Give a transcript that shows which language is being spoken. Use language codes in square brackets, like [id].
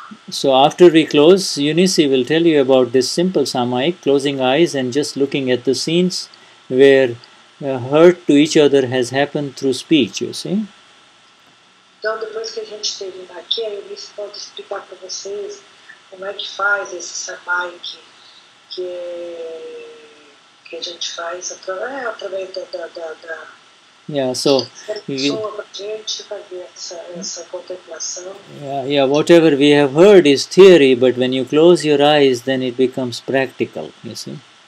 [en] So after we close, Eunice will tell you about this simple samayik, closing eyes and just looking at the scenes where hurt to each other has happened through speech, you see. [pt] Então depois que a gente terminar aqui, a Eunice pode explicar para vocês como é que faz esse samayik que a gente faz através da [en] Yeah, so whatever we have heard is theory, but when you close your eyes, then it becomes practical, you see.